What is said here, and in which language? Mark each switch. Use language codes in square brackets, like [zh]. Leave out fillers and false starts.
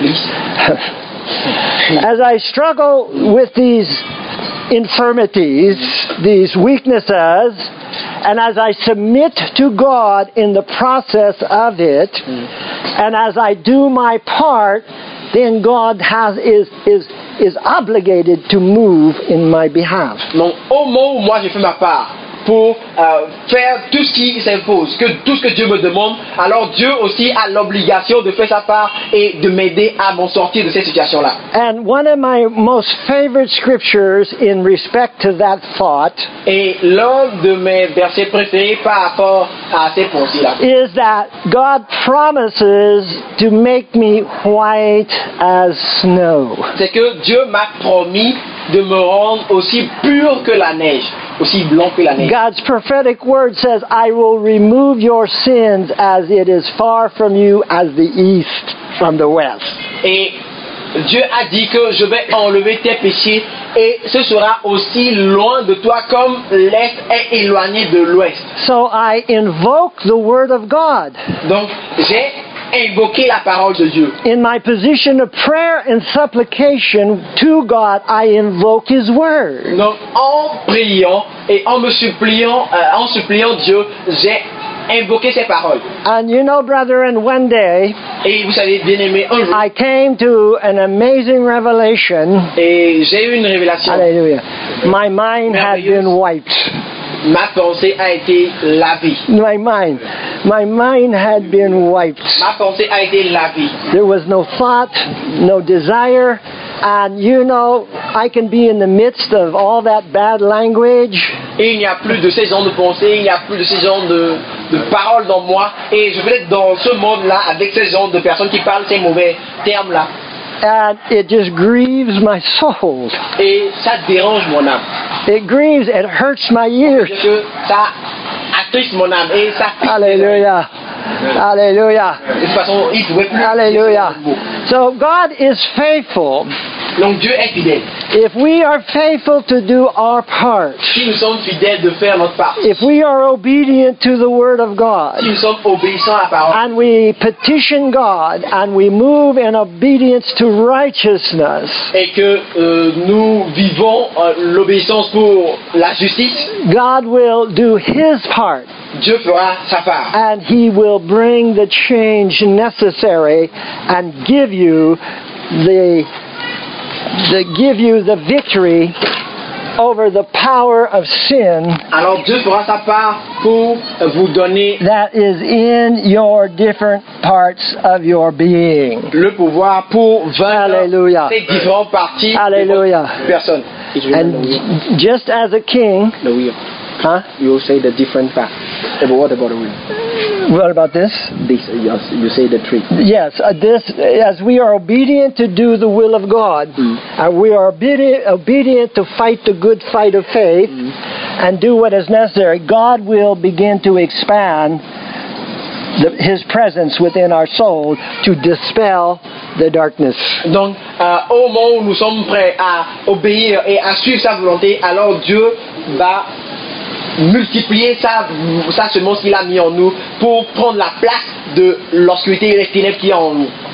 [en] As I struggle with these infirmities, these weaknesses, and as I submit to God in the process of it, and as I do my part, then God is obligated to move in my behalf. [fr] Donc, au mot, moi j'ai fait ma part pour faire tout ce qui s'impose, que tout ce que Dieu me demande, alors Dieu aussi a l'obligation de faire sa part et de m'aider à m'en sortir de cette situation-là. [en] And one of my most favorite scriptures in respect to that thought, [fr] et l'un de mes versets préférés par rapport à cette pensée-là, [en] is that God promises to make me white as snow. [fr] C'est que Dieu m'a promis de me rendre aussi pur que la neige, aussi blanc que la neige. [en] God's prophetic word says, I will remove your sins as it is far from you as the east from the west. [fr] Et Dieu a dit que je vais enlever tes péchés et ce sera aussi loin de toi comme l'est est éloigné de l'ouest. [en] So I invoke the word of God. [fr] Donc j'ai invoquer la parole de Dieu. [en] In my position of prayer and supplication to God, I invoke His word. [fr] Donc, en priant et en me suppliant, en suppliant Dieu, j'ai invoqué ses paroles. [en] And you know, brethren, one day, [fr] et vous savez, bien aimé, un jour, [en] I came to an amazing revelation. [fr] Et j'ai eu une révélation. [en] Alléluia. My mind had been wiped. [fr] Ma pensée a été lavée. [en] My mind had been wiped. [fr] Ma pensée a été lavée. [en] There was no thought, no desire. And you know, I can be in the midst of all that bad language. [fr] Il n'y a plus de ces genres de pensées, il n'y a plus de ces genres de paroles dans moi. Et je vais être dans ce monde-là avec ces genres de personnes qui parlent ces mauvais termes-là. [en] And it just grieves my soul. [fr] Et ça dérange mon âme. [en] It grieves, it hurts my ears. [fr] Parce que ça attriste mon âme et ça pique. Alléluia. Alléluia. De toute façon, il pouvait plus. [en] Alléluia. So God is faithful. [fr] Donc Dieu est fidèle. [en] If we are faithful to do our part, [fr] si nous sommes fidèles de faire notre part, [en] if we are obedient to the word of God, [fr] si nous sommes obéissants à la parole, [en] and we petition God and we move in obedience to righteousness, [fr] et que nous vivons l'obéissance pour la justice, [en] God will do His part. [fr] Dieu fera sa part. [en] And He will bring the change necessary and give you the victory over the power of sin. [fr] Alors Dieu fera sa part pour vous donner [en] that is in your different parts of your being. [fr] Le pouvoir pour vaincre. Alléluia. Ces différentes parties. Alléluia. De votre personne. [en] And just as a king. The will. Huh? You say the different part. But what about the will? What about this? This, yes, you say the tree. Yes, this, as we are obedient to do the will of God, and we are obedient to fight the good fight of faith, and do what is necessary, God will begin to expand His presence within our soul to dispel the darkness. [fr] Donc, au moment où nous sommes prêts à obéir et à suivre sa volonté, alors Dieu va multiplier sa semence qu'il a mis en nous pour prendre la place de l'obscurité et les ténèbres qui est en nous.